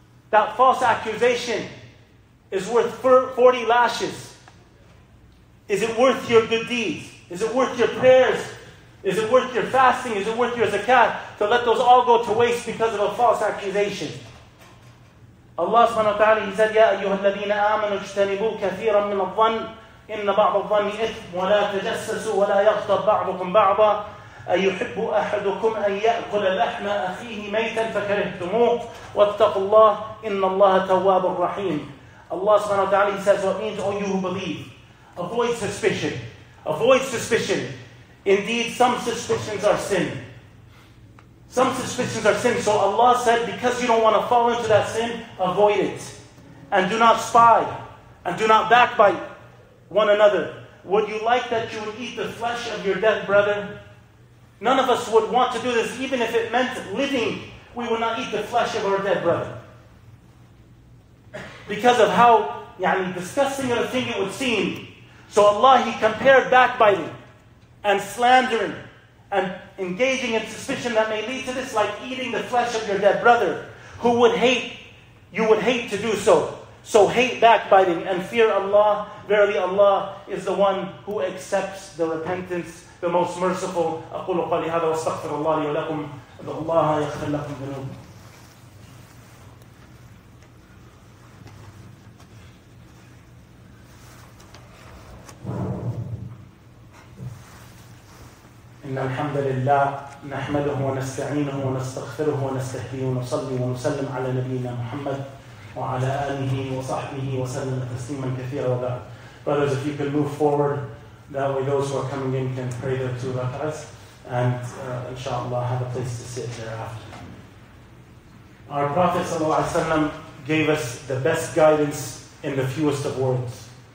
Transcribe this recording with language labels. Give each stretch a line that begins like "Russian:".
English: That false accusation is worth 40 lashes. Is it worth your good deeds? Is it worth your prayers? Is it worth your fasting? Is it worth your zakat? To let those all go to waste because of a false accusation. Allah subhanahu wa ta'ala, He said,
Arabic: يَا أَيُّهَا الَّذِينَ آمَنُوا اجْتَنِبُوا كَثِيرًا مِنَ الظَّنِّ إِنَّ بَعْضَ الظَّنِّ إِثْمٌ وَلَا تَجَسَّسُوا وَلَا يَغْتَبْ بَعْضُكُمْ بَعْضًا أَيُحِبُّ أَحَدُكُمْ أَنْ يَأْكُلَ لَحْمَ أَخِيهِ مَيْتًا فَكَرِهْتُمُوهُ وَاتَّقُوا اللَّهَ إِنَّ اللَّهَ تَوَّابٌ رَحِيمٌ
English: Allah subhanahu wa ta'ala, He says, what means, O you who believe, avoid suspicion. Avoid suspicion. Indeed, some suspicions are sin. Some suspicions are sin. So Allah said, because you don't want to fall into that sin, avoid it. And do not spy. And do not backbite one another. Would you like that you would eat the flesh of your dead brother? None of us would want to do this, even if it meant living, we would not eat the flesh of our dead brother. Because of how disgusting of a thing it would seem. So Allah, He compared backbiting and slandering and engaging in suspicion that may lead to this, like eating the flesh of your dead brother, who would hate, you would hate to do so. So hate backbiting and fear Allah. Verily Allah is the one who accepts the repentance, the most merciful.
Arabic: أقول قولي هذا واستغفر الله لي ولكم أن الله يغفر لكم ذنوب. إن الحمد لله نحمده ونستعينه ونستغفره ونستهديه ونصلي ونسلم على نبينا محمد وعلى آله وصحبه وسلم تسليما كثيرا وبعد.
English: Brothers, if you could move forward, that way those who are coming in can pray their two rak'ahs and inshallah have a place to sit thereafter. Our Prophet ﷺ gave us the best guidance in the fewest of worlds.